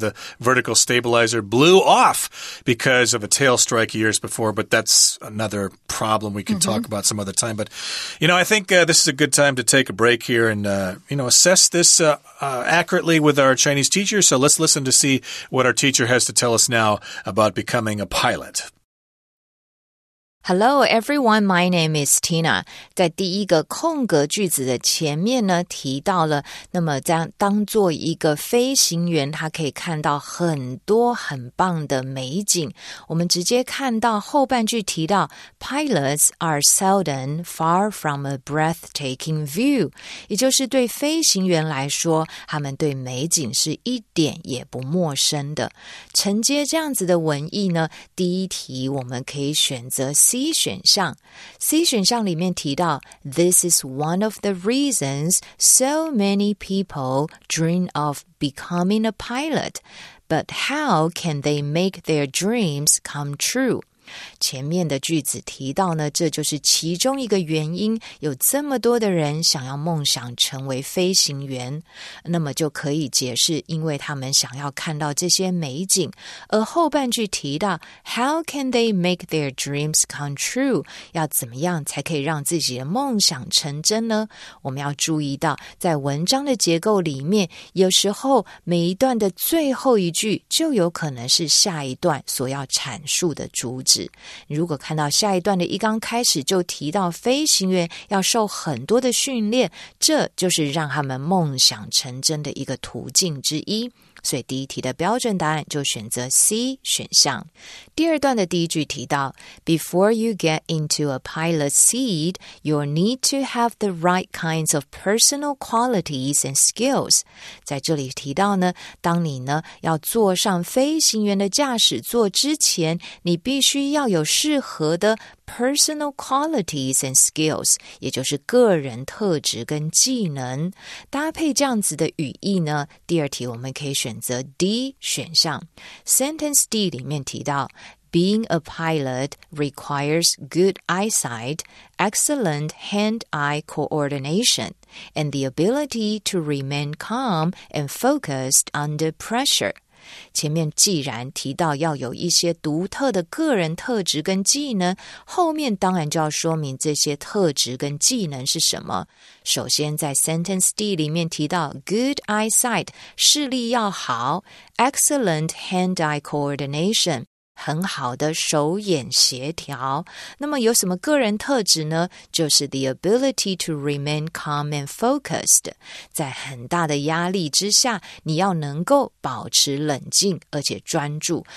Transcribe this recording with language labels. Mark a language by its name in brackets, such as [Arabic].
[English] The vertical stabilizer blew off because of a tail strike years before, but that's another problem we can talk about some other time. But, you know, I think this is a good time to take a break here and, you know, assess this accurately with our Chinese teacher. So let's listen to see what our teacher has to tell us now about becoming a pilot. Hello, everyone. My name is Tina. [Chinese] 在第一个空格句子的前面呢，提到了，那么在当做一个飞行员，他可以看到很多很棒的美景。我们直接看到后半句提到 [English] ,pilots are seldom far from a breathtaking view. [Chinese] 也就是对飞行员来说，他们对美景是一点也不陌生的。 [English] 承接这样子的文意呢， [Chinese] 第一题我们可以选择C 选项 ,C 选项里面提到 [English] ,This is one of the reasons so many people dream of becoming a pilot, but how can they make their dreams come true? [Chinese] 前面的句子提到呢，这就是其中一个原因，有这么多的人想要梦想成为飞行员，那么就可以解释因为他们想要看到这些美景。而后半句提到 [English] How can they make their dreams come true? [Chinese] 要怎么样才可以让自己的梦想成真呢？我们要注意到在文章的结构里面，有时候每一段的最后一句就有可能是下一段所要阐述的主旨。如果看到下一段的一刚开始就提到飞行员要受很多的训练，这就是让他们梦想成真的一个途径之一。所以第一题的标准答案就选择 C 选项。第二段的第一句提到 [English] Before you get into a pilot seat, you'll need to have the right kinds of personal qualities and skills. [Chinese] 在这里提到呢，当你呢要坐上飞行员的驾驶座之前，你必须要有适合的 [English] personal qualities and skills, [Chinese] 也就是个人特质跟技能。搭配这样子的语义呢，第二题我们可以选择 D 选项。Sentence D 里面提到 [English] Being a pilot requires good eyesight, excellent hand-eye coordination, and the ability to remain calm and focused under pressure. [Chinese] 前面既然提到要有一些独特的个人特质跟技能，后面当然就要说明这些特质跟技能是什么。首先在 sentence D 里面提到 [English] good eyesight, [Chinese] 视力要好， [English] excellent hand-eye coordination, [Chinese] 很好的手眼协调。那么有什么个人特质呢？就是 [English] the ability to remain calm and focused. [Chinese] 在很大的压力之下，你要能够保持冷静而且专注。